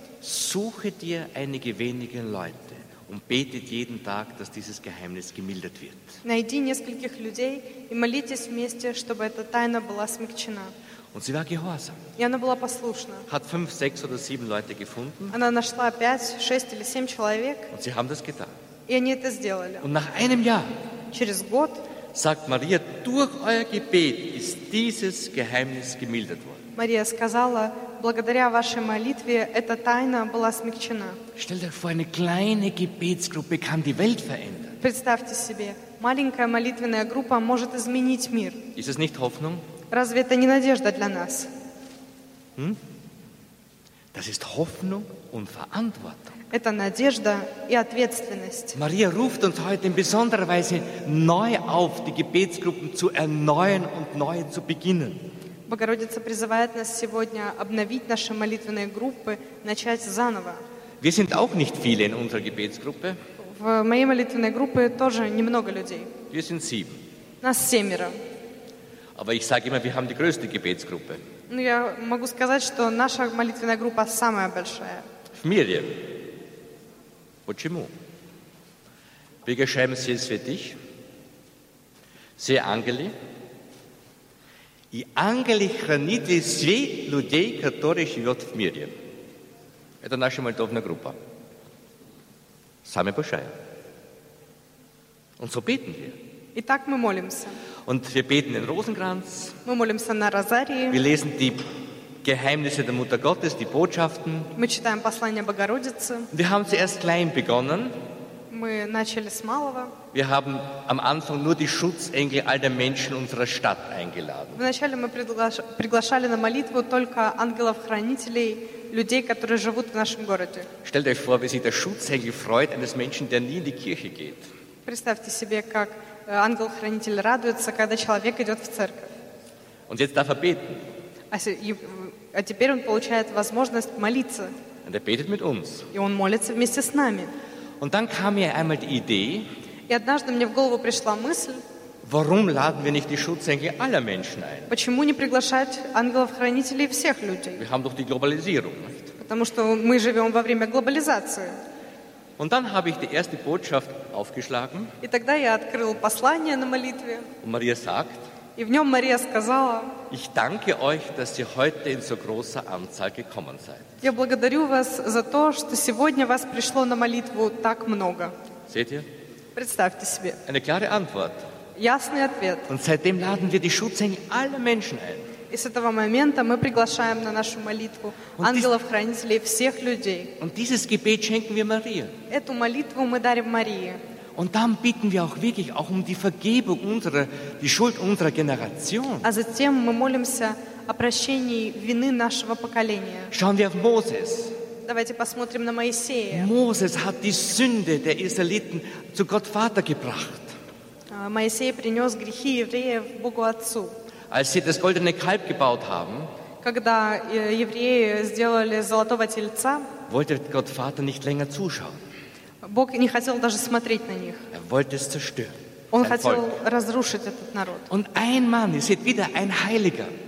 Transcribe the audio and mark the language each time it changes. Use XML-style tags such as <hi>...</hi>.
<de>Suche dir einige wenige Leute und betet jeden Tag, dass dieses Geheimnis gemildert wird.</de> <ru>Найди нескольких людей и молитесь вместе, чтобы эта тайна была смягчена.</ru> <de>Und sie war gehorsam.</de> <ru>И она была послушна.</ru> <de>Hat 5, 6 or 7 Leute gefunden.</de> <ru>Она нашла 5, 6 или 7 человек.</ru> <de>Und sie haben das getan.</de> <ru>И они это сделали.</ru> <de>Und nach einem Jahr.</de> <ru>Через год.</ru> <de>Sagt Maria, durch euer Gebet ist dieses Geheimnis gemildert worden.</de> <ru>Мария сказала, благодаря вашей молитве эта тайна была смягчена.</ru> <de>Stell dir vor, eine kleine Gebetsgruppe kann die Welt verändern.</de> <ru>Представьте себе, маленькая молитвенная группа может изменить мир.</ru> <de>Ist es nicht Hoffnung?</de> <ru>Разве это не надежда для нас?</ru> <de>Das ist Hoffnung und Verantwortung.</de> <ru>Это надежда и ответственность.</ru> <de>Maria ruft uns heute in besonderer Weise neu auf, die Gebetsgruppen zu erneuern und neu zu beginnen.</de> <ru>Богородица призывает нас сегодня обновить наши молитвенные группы, начать заново.</ru> <de>Wir sind auch nicht viele in unserer Gebetsgruppe.</de> <ru>В моей молитвенной группе тоже немного людей.</ru> <de>Wir sind 7.</de> <ru>Нас 7.</ru> <de>Aber ich sage immer, wir haben die größte Gebetsgruppe.</de> <ru>Ну, я могу сказать, что наша молитвенная группа самая большая. В мире. Почему?</ru> <de>Wegen Scheiben sie es für dich? Sie Angeli?</de> <ru>И ангелы хранят все людей, которые живут в мире. Это наша молитвенная группа. Самая большая.</ru> <de>Und so beten wir.</de> <ru>И так мы молимся.</ru> <de>Und wir beten in Rosenkranz.</de> <ru>Мы молимся на Розарии.</ru> <de>Wir lesen die Geheimnisse der Mutter Gottes, die Botschaften.</de> <ru>Мы читаем послания Богородицы.</ru> <de>Wir haben zuerst klein begonnen.</de> <ru>Мы начали с малого.</ru> <de>Wir haben am Anfang nur die Schutzengel all der Menschen unserer Stadt eingeladen.</de> <ru>Вначале мы приглашали на молитву только ангелов-хранителей, людей, которые живут в нашем городе.</ru> <de>Stellt euch vor, wie sich der Schutzengel freut eines Menschen, der nie in die Kirche geht.</de> <ru>Представьте себе, как ангел-хранитель радуется, когда человек идет в церковь.</ru> <de>Und jetzt darf er beten.</de> <ru>А теперь он получает возможность молиться.</ru> <de>Und er betet mit uns.</de> <ru>И он молится вместе с нами.</ru> <de>Und dann kam mir einmal die Idee.</de> <ru>И однажды мне в голову пришла мысль.</ru> <de>Warum laden wir nicht die Schutzengel aller Menschen ein?</de> <ru>Почему не приглашать ангелов-хранителей всех людей?</ru> <de>Wir haben doch die Globalisierung, nicht?</de> <ru>Потому что мы живем во время глобализации.</ru> <de>Und dann habe ich die erste Botschaft aufgeschlagen.</de> <ru>И тогда я открыл послание на молитве.</ru> <de>Und Maria sagt.</de> <ru>И в нем Мария сказала.</ru> <de>Ich danke euch, dass ihr heute in so großer Anzahl gekommen seid.</de> <ru>Я благодарю вас за то, что сегодня вас пришло на молитву так много.</ru> <de>Seht ihr?</de> <ru>Представьте себе.</ru> <de>Eine klare Antwort.</de> <ru>Ясный ответ.</ru> <de>Und seitdem laden wir die Schutzengel aller Menschen ein.</de> <ru>И с этого момента мы приглашаем на нашу молитву ангелов-хранителей всех людей.</ru> <de>Und dieses Gebet schenken wir Maria.</de> <ru>Эту молитву мы дарим Марии.</ru> <de>Und dann bitten wir auch wirklich auch um die Vergebung unserer, die Schuld unserer Generation.</de> <ru>А затем мы молимся о прощении вины нашего поколения.</ru> <de>Schauen wir auf Moses.</de> <ru>Давайте посмотрим на Моисея.</ru> <de>Moses hat die Sünde der Israeliten zu Gott Vater gebracht.</de> <ru>Моисей принес грехи евреев Богу Отцу.</ru> <de>Als sie das goldene Kalb gebaut haben,</de> <ru>когда евреи сделали золотого тельца,</ru> <de>wollte Gott Vater nicht länger zuschauen.</de> <ru>Бог не хотел даже смотреть на них.</ru> <de>Er wollte es zerstören.</de> <ru>Он хотел разрушить этот народ.</ru> <de>Und ein Mann, ihr seht wieder ein Heiliger.</de>